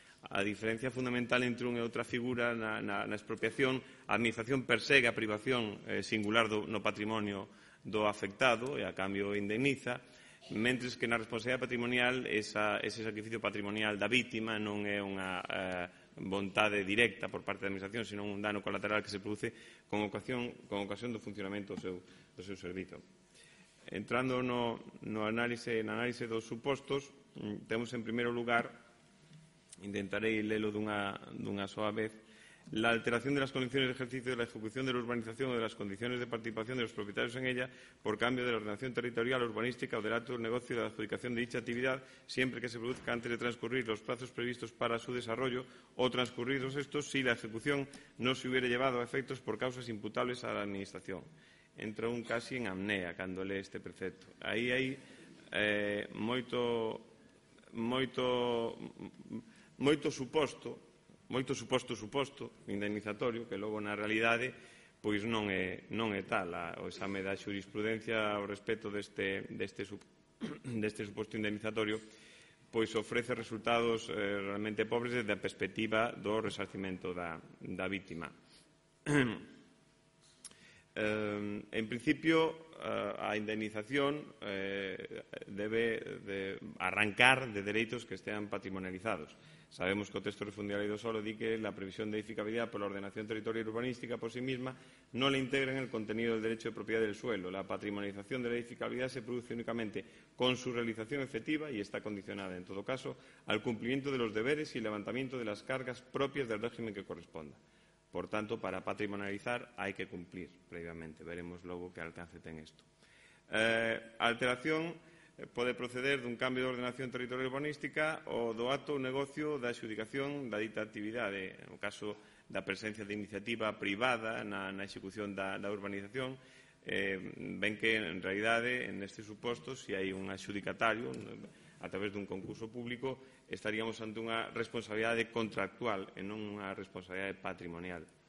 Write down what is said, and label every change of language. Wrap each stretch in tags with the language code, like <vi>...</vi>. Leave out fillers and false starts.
<gl>A diferencia fundamental entre unha e outra figura na expropiación, a administración persegue a privación singular no patrimonio do afectado e a cambio indemniza, mentres que na responsabilidade patrimonial ese sacrificio patrimonial da vítima non é unha vontade directa por parte da administración, sino un dano colateral que se produce con ocasión do funcionamento do seu servizo. Entrando no análise dos supostos, temos en primeiro lugar, intentarei lelo dunha soa vez,</gl> <es>la alteración de las condiciones de ejercicio de la ejecución de la urbanización o de las condiciones de participación de los propietarios en ella por cambio de la ordenación territorial, urbanística o del acto del negocio y de la adjudicación de dicha actividad, siempre que se produzca antes de transcurrir los plazos previstos para su desarrollo o transcurridos estos, si la ejecución no se hubiera llevado a efectos por causas imputables a la Administración.</es> <gl>Entra un casi en amnea cando lee este precepto. Aí hai moito suposto indemnizatorio que logo na realidade pois non é tal. O exame da xurisprudencia ao respecto deste suposto indemnizatorio pois ofrece resultados realmente pobres desde a perspectiva do resarcimento da vítima. En principio, a indemnización debe de arrancar de dereitos que estean patrimonializados. Sabemos que o texto refundido da Lei do Solo di que</gl> <es>la previsión de edificabilidad por la ordenación territorial y urbanística por sí misma no le integra en el contenido del derecho de propiedad del suelo. La patrimonialización de la edificabilidad se produce únicamente con su realización efectiva y está condicionada, en todo caso, al cumplimiento de los deberes y levantamiento de las cargas propias del régimen que corresponda. Por tanto, para patrimonializar hay que cumplir previamente. Veremos luego qué alcance ten esto.</es> <gl>Alteración pode proceder dun cambio de ordenación territorial urbanística ou do acto ou negocio da adxudicación da dita actividade. No caso da presencia de iniciativa privada na execución da urbanización, ven que, en realidade, neste suposto, se hai un adxudicatario a través dun concurso público, estaríamos ante unha responsabilidade contractual e non unha responsabilidade patrimonial.</gl>